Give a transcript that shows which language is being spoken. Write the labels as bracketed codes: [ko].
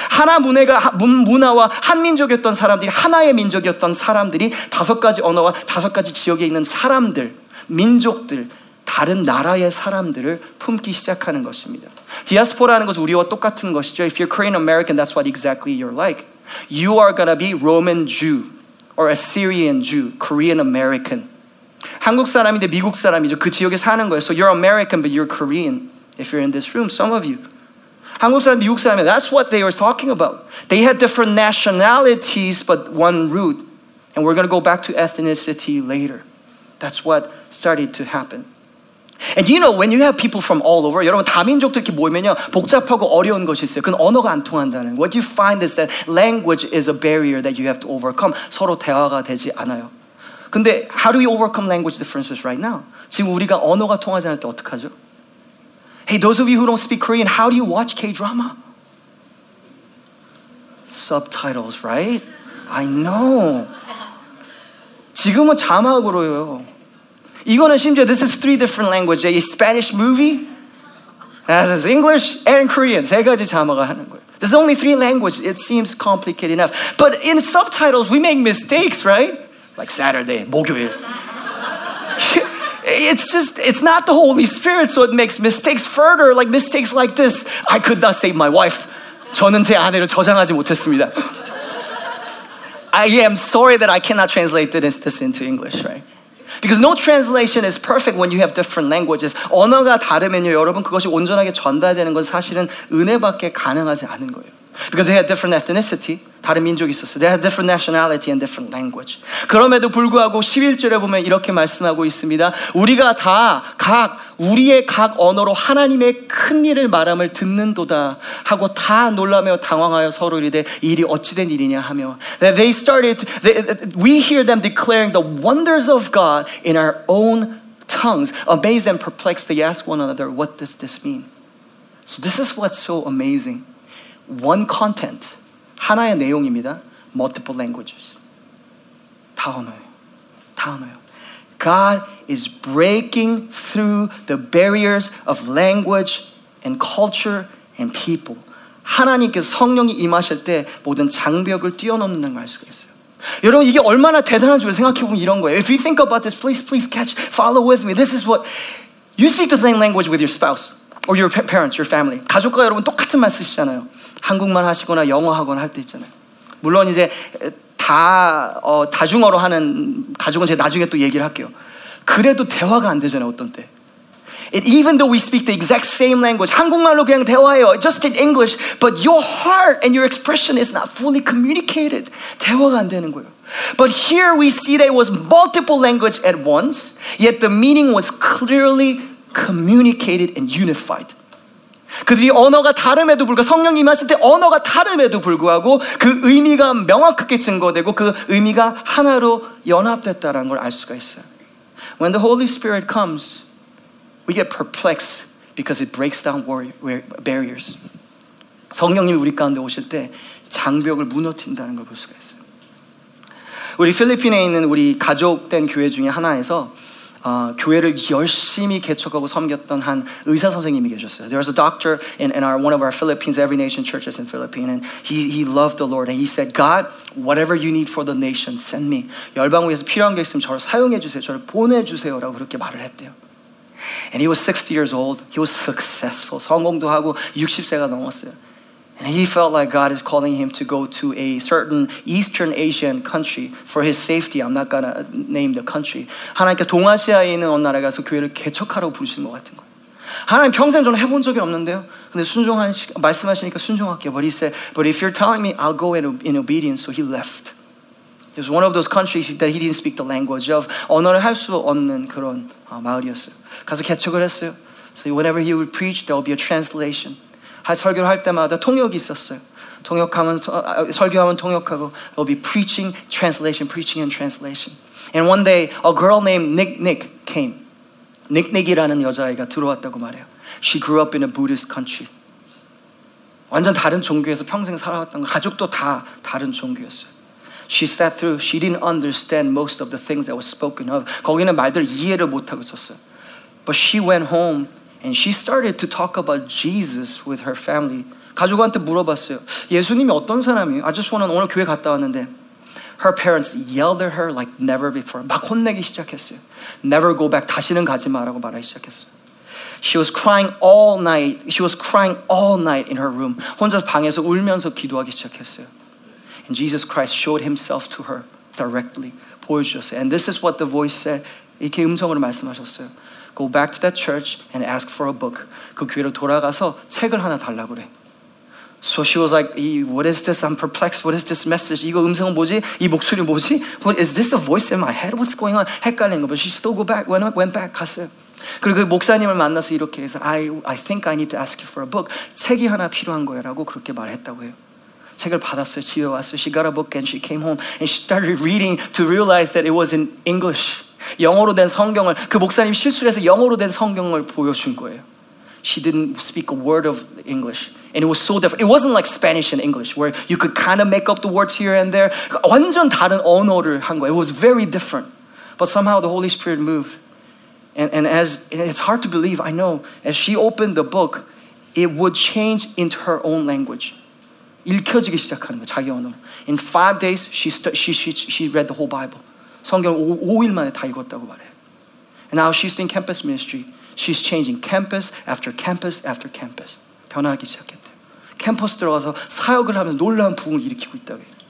[ko] 하나 문화가 문화와 한 민족이었던 사람들이 하나의 민족이었던 사람들이 다섯 가지 언어와 다섯 가지 지역에 있는 사람들, 민족들, 다른 나라의 사람들을 품기 시작하는 것입니다. 디아스포라는 것은 우리와 똑같은 것이죠. [en] If you're Korean American, that's what exactly you're like. You are gonna be Roman Jew or Assyrian Jew, Korean American. [ko] 한국 사람인데 미국 사람이죠. 그 지역에 사는 거예요. [en] So you're American, but you're Korean. If you're in this room, some of you. [ko] 한국 사람, 미국 사람, [en] that's what they were talking about. They had different nationalities, but one root. And we're going to go back to ethnicity later. That's what started to happen. And you know, when you have people from all over, [ko] 여러분, 다민족들끼리 모이면요, 복잡하고 어려운 것이 있어요. 그건 언어가 안 통한다는. [en] What you find is that language is a barrier that you have to overcome. [ko] 서로 대화가 되지 않아요. 근데 [en] how do we overcome language differences right now? [ko] 지금 우리가 언어가 통하지 않을 때 어떡하죠? [en] Hey, those of you who don't speak Korean, how do you watch K-drama? Subtitles, right? I know. [ko] 지금은 자막으로요. 이거는 심지어, [en] this is three different languages. A Spanish movie, that is English and Korean. [ko] 세 가지 자막을 하는 거예요. [en] There's only three languages. It seems complicated enough. But in subtitles, we make mistakes, right? Like Saturday, 목요일. It's just, it's not the Holy Spirit, so it makes mistakes further, like mistakes like this. I could not save my wife. [ko] 저는 제 아내를 저장하지 못했습니다. [en] I am sorry that I cannot translate this into English, right? Because no translation is perfect when you have different languages. [ko] 언어가 다르면요, 여러분, 그것이 온전하게 전달되는 건 사실은 은혜밖에 가능하지 않은 거예요. [en] Because they had different ethnicity, [ko] 다른 민족이 있었어요. [en] They had different nationality and different language. [ko] 그럼에도 불구하고 11절에 보면 이렇게 말씀하고 있습니다. 우리가 다 각 우리의 각 언어로 하나님의 큰 일을 말함을 듣는도다 하고 다 놀라며 당황하여 서로 이르되 일이 어찌 된 일이냐 하며 [en] that they started we hear them declaring the wonders of God in our own tongues. Amazed and perplexed, they ask one another, what does this mean? So this is what's so amazing. One content, [ko] 하나의 내용입니다. [en] Multiple languages. [ko] 다 언어예요. 다 언어예요. [en] God is breaking through the barriers of language and culture and people. [ko] 하나님께서 성령이 임하실 때 모든 장벽을 뛰어넘는다는 걸 알 수가 있어요. 여러분 이게 얼마나 대단한 줄 생각해보면 이런 거예요. [en] If you think about this, please catch, follow with me. This is what, you speak the same language with your spouse. Or your parents, your family. [ko] 가족과 여러분 똑같은 말 쓰시잖아요. 한국말 하시거나 영어 하거나 할 때 있잖아요. 물론 이제 다중어로 하는 가족은 제가 나중에 또 얘기를 할게요. 그래도 대화가 안 되잖아요, 어떤 때. [en] And even though we speak the exact same language, [ko] 한국말로 그냥 대화해요. [en] Just in English, but your heart and your expression is not fully communicated. [ko] 대화가 안 되는 거예요. [en] But here we see that it was multiple language at once, yet the meaning was clearly communicated and unified. [ko] 그들이 언어가 다름에도 불구하고 성령이 임하실 때 언어가 다름에도 불구하고 그 의미가 명확하게 증거되고 그 의미가 하나로 연합됐다라는 걸 알 수가 있어요. [en] When the Holy Spirit comes, we get perplexed because it breaks down barriers. [ko] 성령님이 우리 가운데 오실 때 장벽을 무너뜨린다는 걸 볼 수가 있어요. 우리 필리핀에 있는 우리 가족된 교회 중에 하나에서 교회를 열심히 개척하고 섬겼던 한 의사 선생님이 계셨어요. [en] There was a doctor in our one of our Philippines Every Nation churches in Philippines, and he loved the Lord, and he said, "God, whatever you need for the nation, send me." [ko] 열방을 위해서 필요한 게 있으면 저를 사용해 주세요, 저를 보내 주세요라고 그렇게 말을 했대요. [en] And he was 60 years old. He was successful. [ko] 성공도 하고 60세가 넘었어요. [en] And he felt like God is calling him to go to a certain Eastern Asian country for his safety. I'm not gonna name the country. [ko] 하나님께서 동아시아에 있는 어느 나라에 가서 교회를 개척하라고 부르신 것 같은 거예요. 하나님 평생 저는 해본 적이 없는데요. 근데 말씀하시니까 순종할게요. [en] But he said, "But if you're telling me, I'll go in obedience." So he left. It was one of those countries that he didn't speak the language of. [ko] 언어를 할 수 없는 그런 마을이었어요. 가서 개척을 했어요. [en] So whenever he would preach, there would be a translation. [ko] 설교를 할 때마다 통역이 있었어요. 설교하면 통역하고 [en] it will be preaching and translation. And one day, a girl named Nick came. [ko] Nick이라는 여자아이가 들어왔다고 말해요. [en] She grew up in a Buddhist country. [ko] 완전 다른 종교에서 평생 살아왔던 거, 가족도 다 다른 종교였어요. [en] She sat through, she didn't understand most of the things that was spoken of. [ko] 거기는 말들 이해를 못하고 있었어요. [en] But she went home, and she started to talk about Jesus with her family. [ko] 가족한테 물어봤어요. 예수님이 어떤 사람이에요? [en] I just wanted, [ko] 오늘 교회 갔다 왔는데. [en] Her parents yelled at her like never before. [ko] 막 혼내기 시작했어요. [en] Never go back. [ko] 다시는 가지 마라고 말하기 시작했어요. [en] She was crying all night. She was crying all night in her room. [ko] 혼자서 방에서 울면서 기도하기 시작했어요. [en] And Jesus Christ showed himself to her directly. [ko] 보여주셨어요. [en] And this is what the voice said. [ko] 이렇게 음성으로 말씀하셨어요. [en] Go back to that church and ask for a book. [ko] 그 교회로 돌아가서 책을 하나 달라고 그래. [en] So she was like, what is this? I'm perplexed. What is this message? [ko] 이거 음성은 뭐지? 이 목소리 뭐지? [en] What is this a voice in my head? What's going on? [ko] 헷갈린 거. [en] But she still went back, [ko] 갔어요. 그리고 그 목사님을 만나서 이렇게 해서 [en] I think I need to ask you for a book. [ko] 책이 하나 필요한 거야라고 그렇게 말했다고 해요. 책을 받았어요. 집에 왔어요. [en] She got a book and she came home and she started reading to realize that it was in English. [ko] 영어로 된 성경을 그 목사님 실수를 해서 영어로 된 성경을 보여준 거예요. [en] She didn't speak a word of English. And it was so different. It wasn't like Spanish and English where you could kind of make up the words here and there. [ko] 완전 다른 언어를 한 거예요. [en] It was very different. But somehow the Holy Spirit moved. And it's hard to believe, I know, as she opened the book, it would change into her own language. [ko] 읽혀지기 시작하는 거예요, 자기 언어로. [en] In 5 days, she read the whole Bible. [ko] 성경을 5일 만에 다 읽었다고 말해요. [en] And now she's doing campus ministry. She's changing campus after campus after campus. [ko] 변화하기 시작했대요. 캠퍼스 들어가서 사역을 하면서 놀라운 부흥을 일으키고 있다고 해요.